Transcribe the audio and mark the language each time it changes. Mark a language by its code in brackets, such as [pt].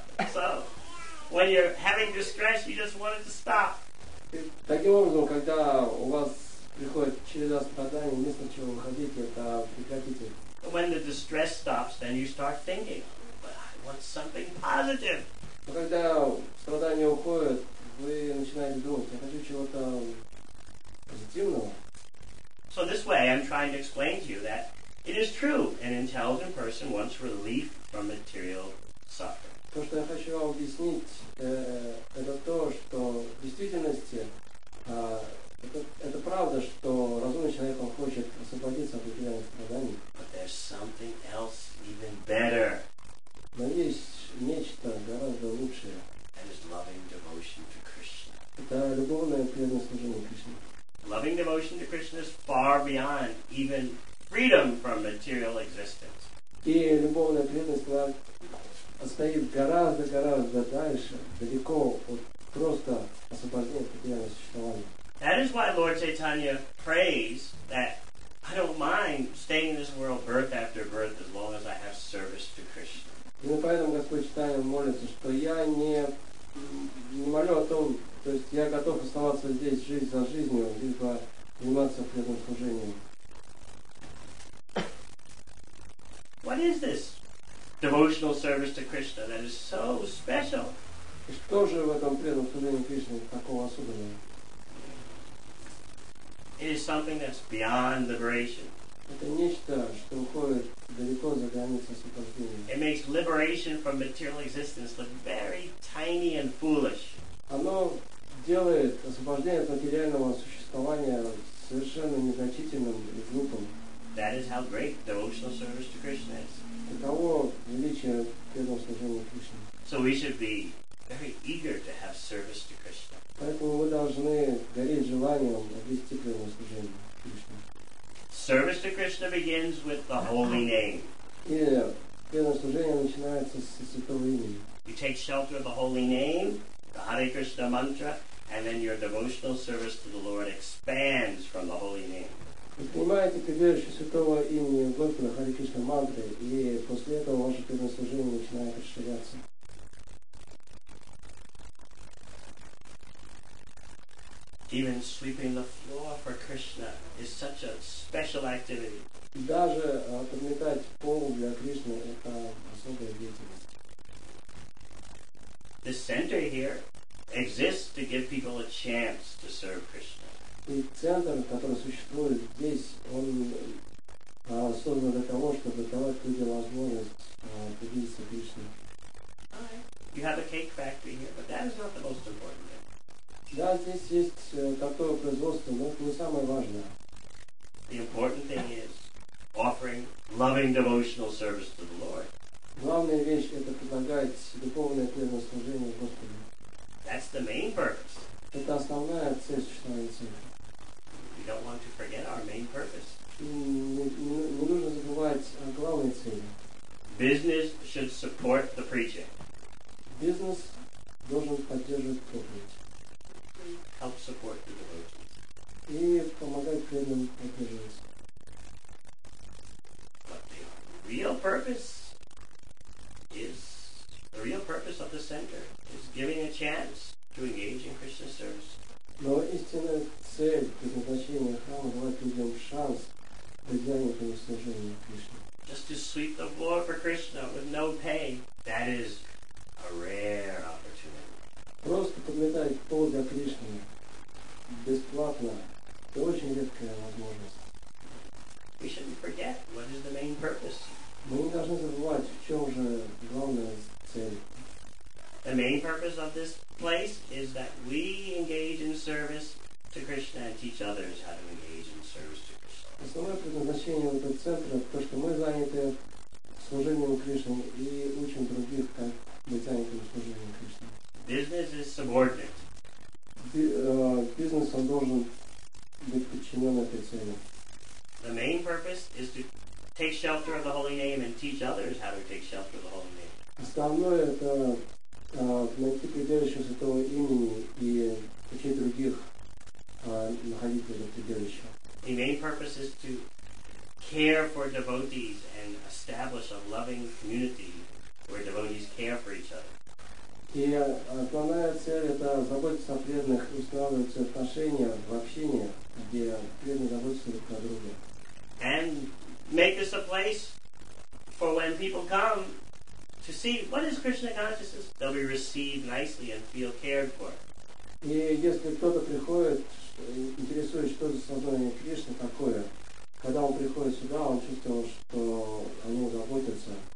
[en] So, when you're having distress, you just want it to stop. [ru] Таким образом, когда у вас приходит череда страданий, вместо чего вы хотите, это прекратите. [en] When the distress stops, then you start thinking, but I want something positive. [ru] Но когда страдания уходят, вы начинаете думать, я хочу чего-то позитивного. [en] So this way I'm trying to explain to you that it is true, an intelligent person wants relief from material suffering. [ru] То, что я хочу вам объяснить, это то, что в действительности это правда, что разумный человек хочет освободиться от материальных страданий. [en] But there's something else even better. [ru] Но есть нечто гораздо лучшее. [en] That is loving devotion to Krishna. [ru] Это любовное преданное служение Кришне. [en] Loving devotion to Krishna is far beyond even freedom from material existence. [ru] И любовное преданное стоит гораздо дальше, далеко от просто освобождения от материального существования. [en] That is why Lord Chaitanya prays that I don't mind staying in this world birth after birth as long as I have service to Krishna. [ru] Именно поэтому Господь Чайтанья молится, что я не молю о том, то есть я готов оставаться здесь жизнь за жизнью, либо заниматься при этом служением. [en] What is this devotional service to Krishna that is so special? [ru] Что же в этом преданном служении Кришне такого особенного? [en] It is something that's beyond liberation. [ru] Это нечто, что уходит далеко за границы освобождения. [en] It makes liberation from material existence look very tiny and foolish. [ru] Оно делает освобождение от материального существования совершенно незначительным и глупым. [en] That is how great devotional service to Krishna is. [ru] Таково величие преданного служения Кришне. [en] So we should be very eager to have service to Krishna. [ru] Поэтому вы должны гореть желанием обрести преданное служение Кришне. [en] Service to Krishna begins with the holy name. [ru] И преданное служение начинается со святого имени. [en] You take shelter of the holy name, the Hare Krishna mantra, and then your devotional service to the Lord expands from the holy name. [ru] Вы принимаете прибежище святого имени Господа Харе Кришна мантры, и после этого ваше преданное служение начинает расширяться. [en] Even sweeping the floor for Krishna is such a special activity. [ru] Даже подметать пол для Кришны – это особая деятельность. [en] The center here exists to give people a chance to serve Krishna. [ru] И центр, который существует здесь, он создан для того, чтобы давать людям возможность поделиться Кришне. [en] You have a cake factory here, but that is not the most important. [ru] Да, здесь есть такое производство, но это не самое важное. [en] The important thing is offering loving devotional service to the Lord. [ru] Главная вещь – это предлагать духовное преданное служение Господу. [en] That's the main purpose. [ru] Это основная цель существования церкви. [en] We don't want to forget our main purpose. [ru] Не нужно забывать о главной цели. [en] Business should support the preaching. Business [ru] должен поддерживать проповедь. [en] Help support the devotees. [ru] И помогать преданным поддерживаться. [en] But the real purpose is the real purpose of the center is giving a chance to engage in Krishna service. [ru] Но истинная цель предназначения храма давать людям шанс поддерживать на служение Кришне. [en] Just to sweep the floor for Krishna with no pay, that is a rare opportunity. [ru] Просто подметать пол для Кришны бесплатно – это очень редкая возможность. [en] We shouldn't forget what is the main purpose. [ru] Мы не должны забывать, в чем же главная цель. [en] The main purpose of this place is that we engage in service to Krishna and teach others how to engage in service to Krishna. [ru] Основное предназначение этого центра – то, что мы заняты служением Кришне и учим других, как быть занятыми служением Кришне. [en] Business is subordinate. [ru] Бизнес должен быть подчинен этой цели. [en] The main purpose is to take shelter of the holy name and teach others how to take shelter of the holy name. [ru] Основное это найти прибежище святого имени и учить других находить это прибежище. [en] The main purpose is to care for devotees and establish a loving community where devotees care for each other. [ru] И основная цель – это заботиться о преданных и устанавливать отношения в общине, где преданные заботятся друг о друге. [en] And make this a place for when people come to see what is Krishna consciousness, they'll be received nicely and feel cared for. [ru] И если кто-то приходит, интересует, что за сознание Кришны такое, когда он приходит сюда, он чувствовал, что о нем заботятся.